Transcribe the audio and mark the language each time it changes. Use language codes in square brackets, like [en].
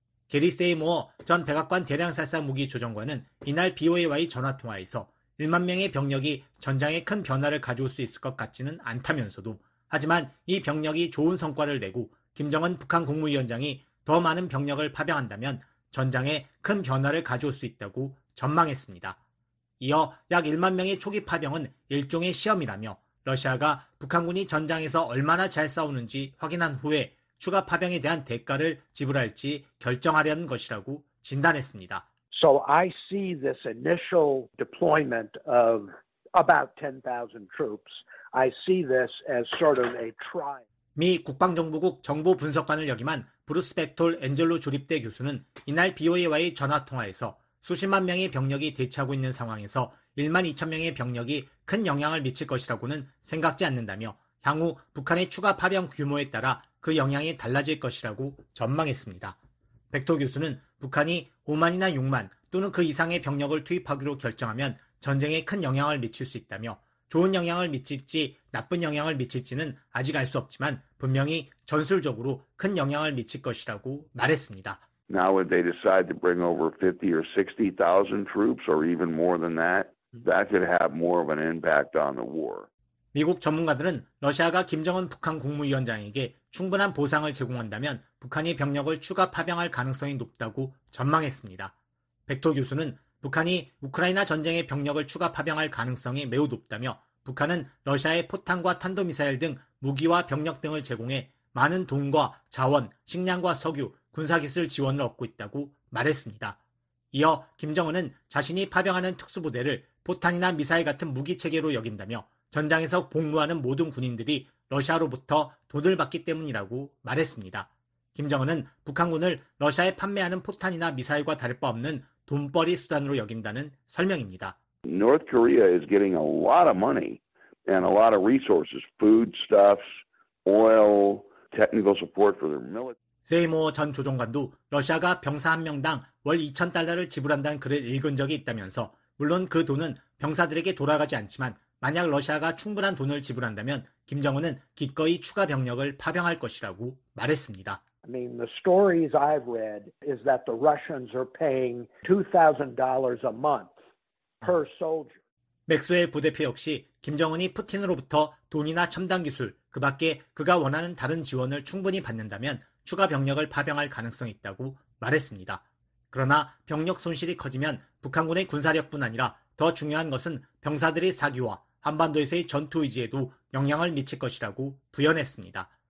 [ko] 게리 세이모어 전 백악관 대량살상무기조정관은 이날 BOA와의 전화통화에서 1만 명의 병력이 전장에 큰 변화를 가져올 수 있을 것 같지는 않다면서도 하지만 이 병력이 좋은 성과를 내고 김정은 북한 국무위원장이 더 많은 병력을 파병한다면 전장에 큰 변화를 가져올 수 있다고 전망했습니다. 이어 약 1만 명의 초기 파병은 일종의 시험이라며 러시아가 북한군이 전장에서 얼마나 잘 싸우는지 확인한 후에 추가 파병에 대한 대가를 지불할지 결정하려는 것이라고 진단했습니다. [en] So I see this initial deployment of about 10,000 troops. I see this as sort of a try. [ko] 미 국방정보국 정보분석관을 역임한 브루스 백톨 엔젤로 주립대 교수는 이날 BOA와의 전화통화에서 수십만 명의 병력이 대치하고 있는 상황에서 1만 2천 명의 병력이 큰 영향을 미칠 것이라고는 생각지 않는다며 향후 북한의 추가 파병 규모에 따라 그 영향이 달라질 것이라고 전망했습니다. 백토 교수는 북한이 5만이나 6만 또는 그 이상의 병력을 투입하기로 결정하면 전쟁에 큰 영향을 미칠 수 있다며 좋은 영향을 미칠지 나쁜 영향을 미칠지는 아직 알 수 없지만 분명히 전술적으로 큰 영향을 미칠 것이라고 말했습니다. [en] Now would they decide to bring over 50 or 60,000 troops or even more than that? That could have more of an impact on the war. [ko] 미국 전문가들은 러시아가 김정은 북한 국무위원장에게 충분한 보상을 제공한다면 북한이 병력을 추가 파병할 가능성이 높다고 전망했습니다. 백토 교수는 북한이 우크라이나 전쟁에 병력을 추가 파병할 가능성이 매우 높다며 북한은 러시아의 포탄과 탄도미사일 등 무기와 병력 등을 제공해 많은 돈과 자원, 식량과 석유, 군사기술 지원을 얻고 있다고 말했습니다. 이어 김정은은 자신이 파병하는 특수부대를 포탄이나 미사일 같은 무기체계로 여긴다며 전장에서 복무하는 모든 군인들이 러시아로부터 돈을 받기 때문이라고 말했습니다. 김정은은 북한군을 러시아에 판매하는 포탄이나 미사일과 다를 바 없는 돈벌이 수단으로 여긴다는 설명입니다. [en] North Korea is getting a lot of money and a lot of resources, foodstuffs, oil, technical support for their military. [ko] 세이모어 전 조정관도 러시아가 병사 한 명당 월 $2,000를 지불한다는 글을 읽은 적이 있다면서 물론 그 돈은 병사들에게 돌아가지 않지만 만약 러시아가 충분한 돈을 지불한다면 김정은은 기꺼이 추가 병력을 파병할 것이라고 말했습니다. [en] I mean, the stories I've read is that the Russians are paying $2,000 a month per soldier. [ko] 맥스웰 부대표 역시 김정은이 푸틴으로부터 돈이나 첨단 기술, 그 밖에 그가 원하는 다른 지원을 충분히 받는다면 추가 병력을 파병할 가능성이 있다고 말했습니다. 그러나 병력 손실이 커지면 북한군의 군사력뿐 아니라 더 중요한 것은 병사들의 사기와 한반도에서의 전투 의지에도 영향을 미칠 것이라고 부연했습니다.